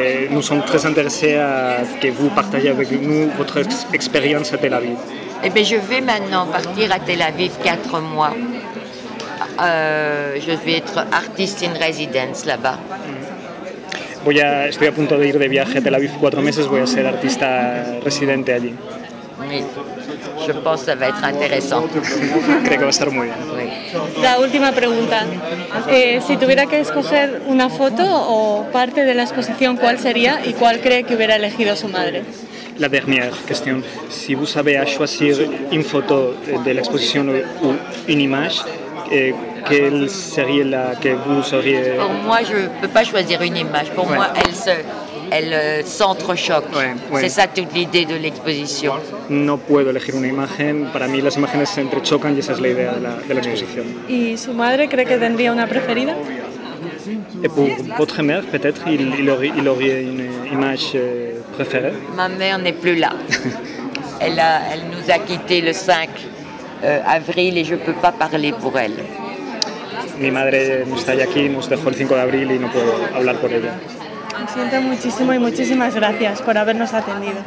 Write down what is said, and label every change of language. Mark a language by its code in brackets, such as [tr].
[fr] Nous sommes très intéressés à que vous partagiez avec nous votre expérience à Tel Aviv. Eh bien, je vais maintenant partir à Tel Aviv 4 mois. Je vais être artist in residence là-bas. [es] Estoy a punto de ir de viaje a Tel Aviv 4 meses, voy a ser artista residente allí. [fr] Oui. Je pense que ça va être intéressant. [es] Creo que va a estar muy bien. [fr] Oui. [es] La última pregunta. Si tuviera que escoger una foto o parte de la exposición, ¿cuál sería y cuál cree que hubiera elegido su madre? [fr] La dernière question. Si vous avez à choisir une photo de l'exposition ou une image, quelle serait la que vous seriez? Pour moi, je ne peux pas choisir une image. Pour moi, elle s'entrechoque. C'est ça toute l'idée de l'exposition. [es] No puedo elegir una imagen. Para mí, las imágenes se entrechocan y esa es la idea de la exposición. ¿Y su madre cree que tendría una preferida? [fr] Et pour votre mère, peut-être, il aurait une image préférée. Ma mère n'est plus là. Elle nous a quittés le 5 avril et je ne peux pas parler pour elle. [es] Mi madre no está aquí, nos dejó el 5 de abril y no puedo hablar por ella. Lo siento muchísimo y muchísimas gracias por habernos atendido.